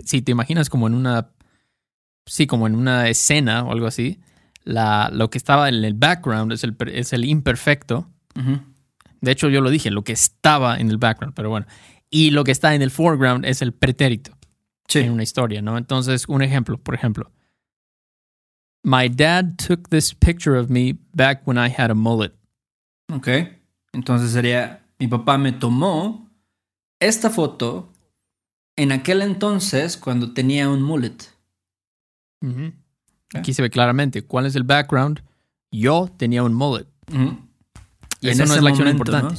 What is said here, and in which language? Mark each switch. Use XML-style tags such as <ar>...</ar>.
<es>Si te imaginas como en una. Sí, como en una escena o algo así. Lo que estaba en el background es el imperfecto. De hecho, yo lo dije, lo que estaba en el background, pero bueno. Y lo que está en el foreground es el pretérito. Sí. En una historia, ¿no? Entonces, un ejemplo, por ejemplo.</es> <en>My dad took this picture of me back when I had a mullet.</en> <es>Ok. Entonces sería. Mi papá me tomó esta foto en aquel entonces cuando tenía un mullet. Uh-huh. Aquí se ve claramente. ¿Cuál es el background? Yo tenía un mullet. Y eso no es la acción importante.</es>